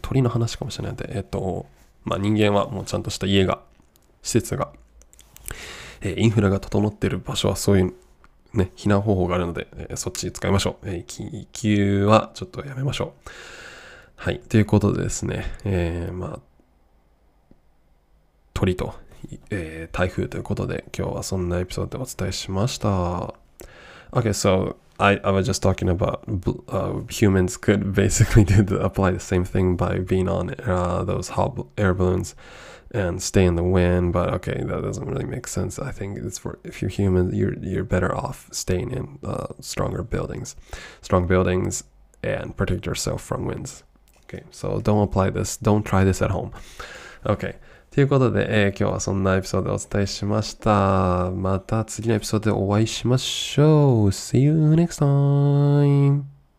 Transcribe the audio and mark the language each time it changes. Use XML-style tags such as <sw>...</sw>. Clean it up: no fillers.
<ja>鳥の話かもしれないんで、まあ人間はもうちゃんとした家が施設が、インフラが整っている場所はそういうね避難方法があるので、そっち使いましょう。気球はちょっとやめましょう。はい、ということでですね、まあ鳥と台風ということで今日はそんなエピソードでお伝えしました。</ja> <en>Okay, so I was just talking about humans could basically apply the same thing by being on those hot air balloons and stay in the wind, but okay, that doesn't really make sense. I think it's for if you're human, you're better off staying in strong buildings and protect yourself from winds. Okay, so don't try this at home.</en> <ja>Okayということで、今日はそんなエピソードをお伝えしました。また次のエピソードでお会いしましょう。</ja> <en>See you next time!</en>